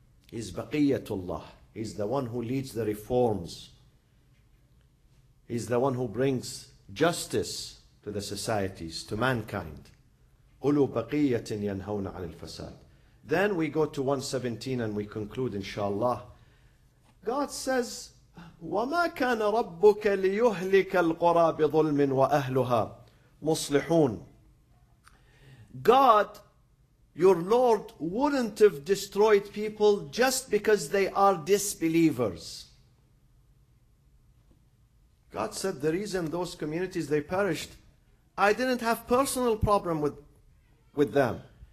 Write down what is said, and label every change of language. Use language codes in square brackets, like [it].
[en] He's baqiyatullah. He's the one who leads the reforms. He's the one who brings justice to the societies, to mankind. [ar] قُلُوا بَقِيَّةٍ يَنْهَوْنَ عَنِ الْفَسَادِ. [en] Then we go to 117 and we conclude, inshallah. God says, [ar] وَمَا كَانَ رَبُّكَ لِيُهْلِكَ الْقُرَى بِظُلْمٍ وَأَهْلُهَا مُصْلِحُونَ. [en] God, your Lord, wouldn't have destroyed people just because they are disbelievers. God said the reason those communities, they perished, I didn't have personal problem with them.